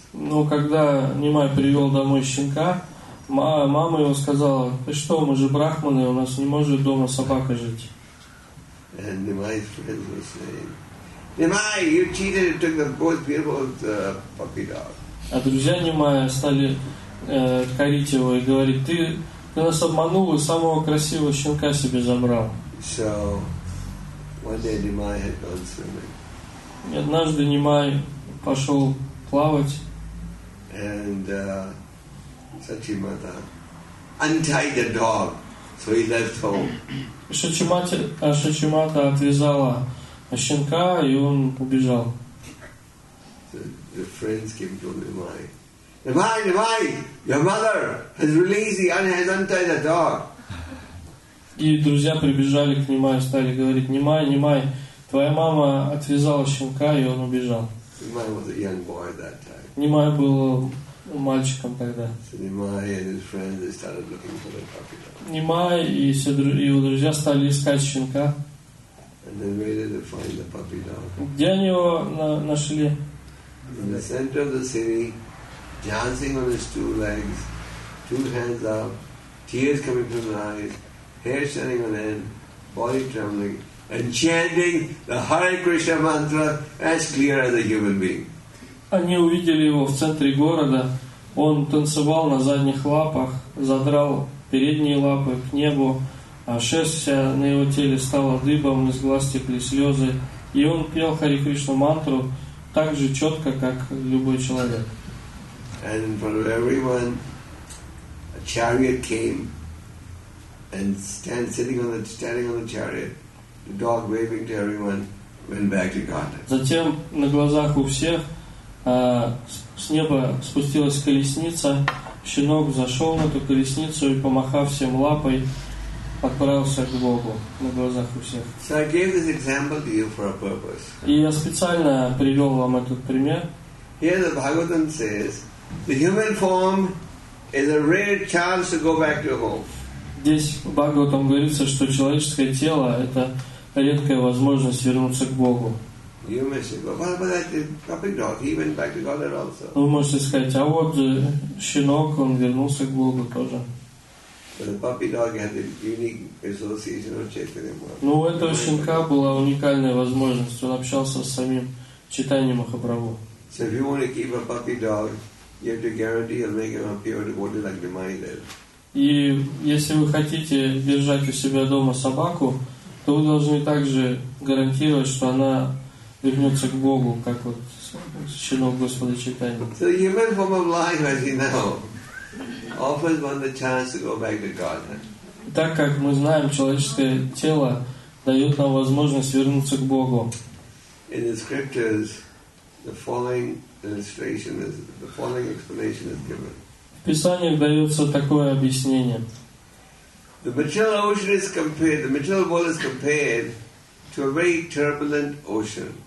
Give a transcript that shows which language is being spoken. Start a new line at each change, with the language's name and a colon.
Russian: Но когда Нимай привел домой щенка, мама его сказала: "Ты что, мы же брахманы, у нас не может дома собака жить."
English: And Nimai's friends were saying, "Nimai, you cheated and took the most beautiful puppy dog."
Russian: А друзья Нимая стали корить его и говорить: "Ты нас обманул и самого красивого щенка себе забрал."
English: So one day Nimai had gone swimming.
Russian: И однажды Нимай пошел плавать.
English: And Сачимата untied the dog, so he left home.
Russian: Сачимата отвязала щенка, и он убежал.
English: The friends came to Nimai. Nimai, your mother has released has untied the dog.
Russian: И друзья прибежали к Нимаю, стали говорить: Нимай, твоя мама отвязала щенка, и он убежал.
English: Nimai was a young boy that time.
Russian: Нимай был мальчиком тогда. Нимай и все его друзья стали искать щенка.
English: And they made it to find the puppy dog.
Russian: Где они его нашли?
English: In the center of the city, dancing on his two legs, two hands up, tears coming from his eyes, hair standing on end, body trembling, and chanting the Hare Krishna mantra as clear as a human being.
Russian: Они увидели его в центре города. Он танцевал на задних лапах, задрал передние лапы к небу, а шерсть на его теле стала дыбом, из глаз текли слезы. И он пел Хари Кришну мантру так же четко, как любой человек.
English: And in front of everyone, a chariot came and standing on the chariot, the dog waving to everyone, went back to Godhead.
Russian: Затем на глазах у всех с неба спустилась колесница, щенок зашел на эту колесницу и, помахав всем лапой, отправился к Богу на глазах у всех.
English: So I gave this example to you for a purpose.
Russian: И я специально привел вам этот пример.
English: Here the Bhagavatam says, the human form is a rare chance to go back to home.
Russian: Здесь в Бхагаватам говорится, что человеческое тело — это редкая возможность вернуться к Богу.
English: You may say, well, but that puppy dog, he went back to Godhead also.
Russian: Вы можете сказать, а вот щенок, он вернулся к Богу тоже.
English: But the puppy dog had a unique association with Chaitanya Mahaprabhu.
Russian: Ну, у этого щенка была уникальная возможность. Он общался с самим Чайтанья Махапрабху.
English: So if you want to keep a puppy dog, you have to guarantee you'll make him a pure devotee like Nimai did.
Russian: И если вы хотите держать у себя дома собаку, то вы должны также гарантировать, что она вернется к Богу, как вот щенок Господа Чайтанья.
English: So the human form of life, as you know, offers one the chance to go back to Godhead.
Russian: Так как мы знаем, человеческое тело дает нам возможность вернуться к Богу.
English: In the scriptures, the following explanation is given.
Russian: В Писании дается такое объяснение.
English: The material ocean is compared. The material world is compared to a very turbulent ocean.